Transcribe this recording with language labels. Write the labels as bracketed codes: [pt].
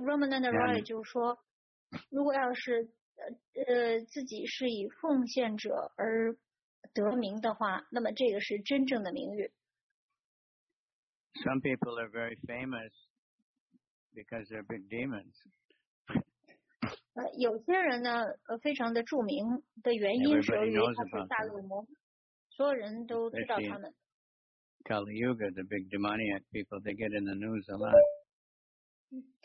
[zh] Ramananda Roy 就说，如果要是自己是以奉献者而得名的话，那么这个是真正的名誉。 [en] Some people are very famous because they're big demons. [zh] 有些人呢，非常的著名的原因是由于他是大恶魔，所有人都知道他们。 [en] Kali Yuga, the big demoniac people, they get in the news a lot.